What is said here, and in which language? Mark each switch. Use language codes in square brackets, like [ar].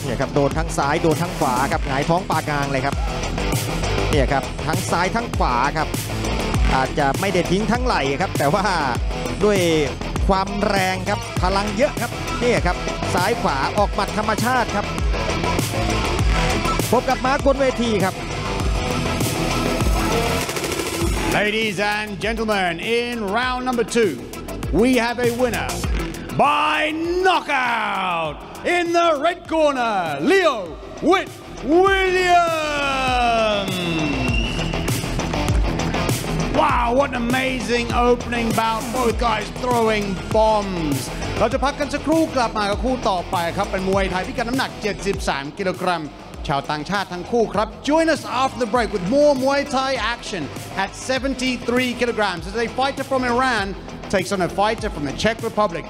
[th] เนี่ยครับโดนทั้งซ้ายโดนทั้งขวาครับหงายท้องปางงางเลยครับเนี่ยครับทั้งซ้ายทั้งขวาครับอาจจะไม่ได้ทิ้งทั้งไหล่ครับแต่ว่าด้วยความแรงครับพลังเยอะครับนี่ครับซ้ายขวาออกหมัดธรรมชาติครับพบกับมาร์คบนเวทีครับ [en] Ladies and gentlemen in round number 2 we have a winner by knockout in the red corner Leo Witt WilliamsWow, what an amazing opening bout. Both guys throwing bombs. [th] เราจะพักกันสักครู่กลับมากับคู่ต่อไปครับเป็นมวยไทยพิกัดน้ำหนัก73กิโลกรัมชาวต่างชาติทั้งคู่ครับ [en] Join us after the break with more Muay Thai action at 73 kilograms as a fighter from Iran takes on a fighter from the Czech Republic.